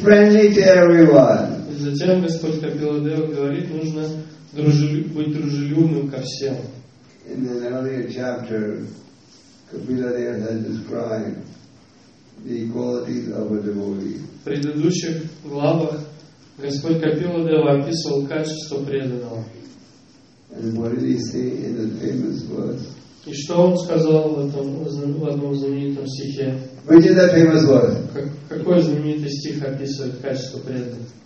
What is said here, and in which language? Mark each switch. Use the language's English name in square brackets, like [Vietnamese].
[Russian] Затем Господь Капиладева говорит, нужно быть дружелюбным ко всем. [English] In an earlier chapter, Kapiladeva has described the qualities of a devotee. [Russian] В предыдущих главах Господь Капиладева описывал качество преданного. [English] And what did he say in his famous words? [Russian] И что он сказал в этом в одном знаменитом стихе? [English] Which is that famous word? [Russian] Какой знаменитый стих описывает качество преданного?